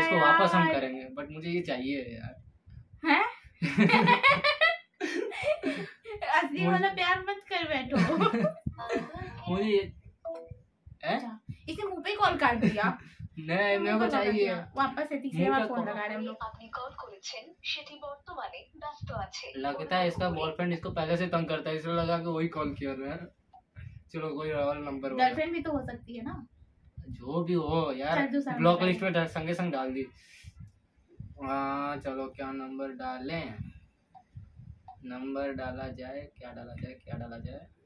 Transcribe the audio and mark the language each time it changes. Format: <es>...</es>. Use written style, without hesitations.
<hi>इसको वापस हम करेंगे, बट मुझे ये चाहिए यार। हैं असली वाला प्यार मत कर बैठो। मुझे इसे मुंह पे कॉल कर दिया। नहीं मेरे को चाहिए वापस। है तीसरी बार फोन लगा रहे हम लोग। आपने कॉल</hi> <bn>করেছেন সেটি বর্তমানে ব্যস্ত আছে।</bn> <hi>लगता है इसका बॉयफ्रेंड इसको पहले से तंग करता है, इसलिए लगा कि वही कॉल किया है। चलो कोई रावल नंबर। गर्लफ्रेंड भी तो हो सकती है ना। जो भी हो यार, ब्लॉक लिस्ट में संगे संग डाल दी। चलो क्या नंबर डालें, नंबर डाला जाए, क्या डाला जाए, क्या डाला जाए।</hi>